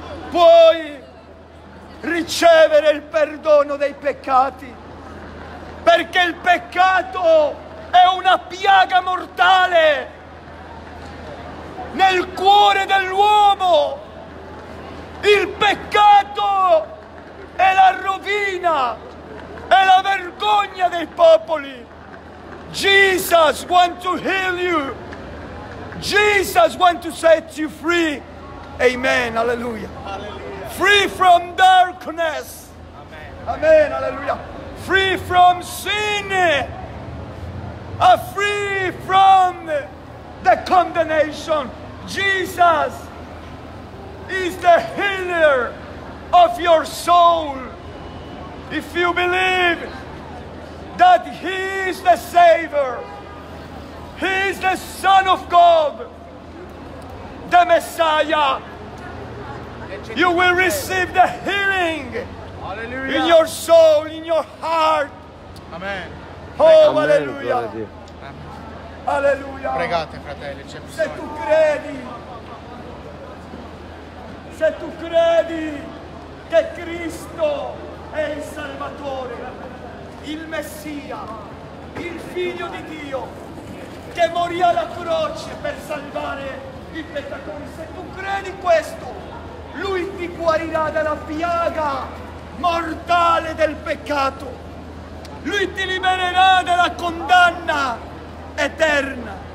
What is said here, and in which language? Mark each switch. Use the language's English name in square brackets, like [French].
[Italian] Puoi ricevere il perdono dei peccati, perché il peccato è una piaga mortale nel cuore dell'uomo. Il peccato è la rovina, è la vergogna dei popoli. [English] Jesus wants to heal you. Jesus wants to set you free. Amen, alleluia. Free from darkness. Amen, alleluia. Free from sin. Free from the condemnation. Jesus is the healer of your soul. If you believe that he is the Savior, he is the Son of God, the Messiah, you will receive the healing. Hallelujah. In your soul, in your heart. Amen. Oh, Amen. Alleluia. Alleluia. [Italian] Pregate, fratelli, c'è bisogno. Se tu credi, se tu credi che Cristo è il Salvatore, il Messia, il Figlio di Dio, che morì alla croce per salvare i peccatori, se tu credi questo, lui ti guarirà dalla piaga mortale del peccato, lui ti libererà dalla condanna eterna,